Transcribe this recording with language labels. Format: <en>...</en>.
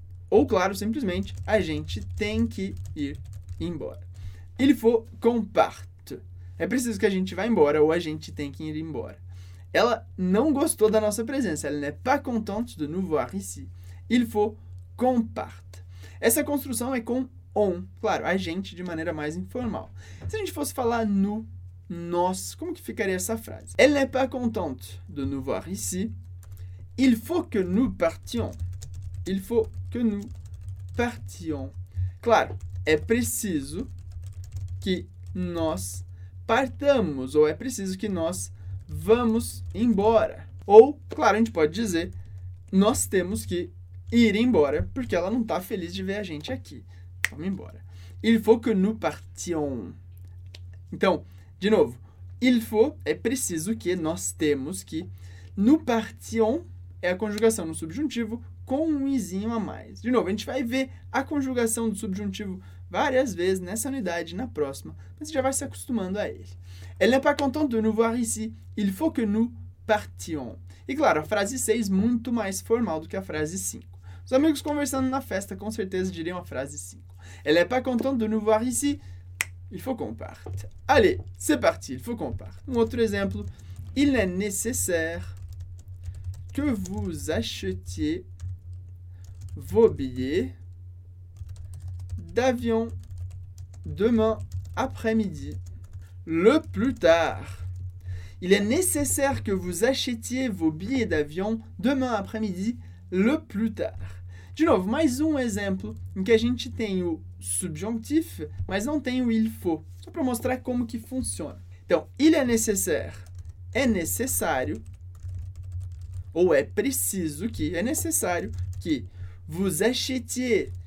<pt>Ou, claro, simplesmente, a gente tem que ir embora.</pt> <fr>Il faut qu'on parte.</fr> <pt>É preciso que a gente vá embora ou a gente tem que ir embora. Ela não gostou da nossa presença.</pt> <fr>Elle n'est pas contente de nous voir ici. Il faut qu'on parte.</fr> <pt>Essa construção é com on. Claro, a gente de maneira mais informal. Se a gente fosse falar nous, nós, como que ficaria essa frase?</pt> <fr>Elle n'est pas contente de nous voir ici. Il faut que nous partions. Il faut que nous partions.</fr> <pt>Claro, é preciso que nós partamos, ou é preciso que nós vamos embora. Ou, claro, a gente pode dizer, nós temos que ir embora, porque ela não está feliz de ver a gente aqui. Vamos embora.</pt> <fr>Il faut que nous partions.</fr> <pt>Então, de novo,</pt> <fr>il faut,</fr> <pt>é preciso que nós temos que,</pt> <fr>nous partions,</fr> <pt>é a conjugação no subjuntivo com um izinho a mais. De novo, a gente vai ver a conjugação do subjuntivo várias vezes nessa unidade, na próxima, mas já vai se acostumando a ele.</pt> <fr>Elle n'est pas contente de nous voir ici. Il faut que nous partions.</fr> <pt>E claro, a frase 6 muito mais formal do que a frase 5. Os amigos conversando na festa com certeza diriam a frase 5.</pt> <fr>Elle n'est pas contente de nous voir ici. Il faut qu'on parte. Allez, c'est parti, il faut qu'on parte.</fr> <pt>Um outro exemplo.</pt> <fr>Il est nécessaire que vous achetiez vos billets d'avion demain après-midi. Le plus tard. Il est nécessaire que vous achetiez vos billets d'avion demain après-midi. Le plus tard.</fr> <pt>De novo, mais um exemplo em que a gente tem o subjonctif, mas não tem o il faut. Só para mostrar como que funciona. Então,</pt> <fr>il est nécessaire.</fr> <pt>É necessário. Ou é preciso que. É necessário que</pt> <fr>vous achetiez.</fr>